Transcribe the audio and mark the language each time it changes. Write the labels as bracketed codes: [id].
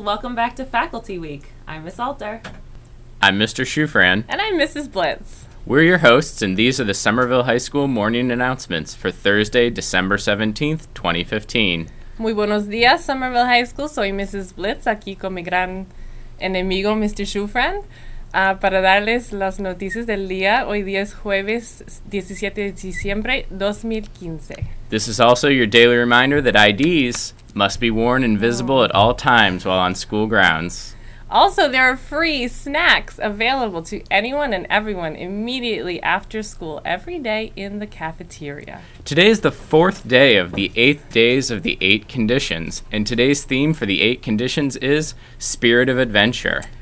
[en] Welcome back to Faculty Week. I'm Miss Alter. I'm Mr. Shufran. And I'm Mrs. Blitz. We're your hosts, and these are the Somerville High School morning announcements for Thursday, December 17th, 2015. [es] Muy buenos días, Somerville High School. Soy Mrs. Blitz, aquí con mi gran enemigo, Mr. Shufran, para darles las noticias del día. Hoy día es jueves 17 de diciembre, 2015. [en] This is also your daily reminder that IDs must be worn and visible at all times while on school grounds. Also, there are free snacks available to anyone and everyone immediately after school every day in the cafeteria. Today is the fourth day of the 8 days of the 8 conditions, and today's theme for the 8 conditions is Spirit of Adventure.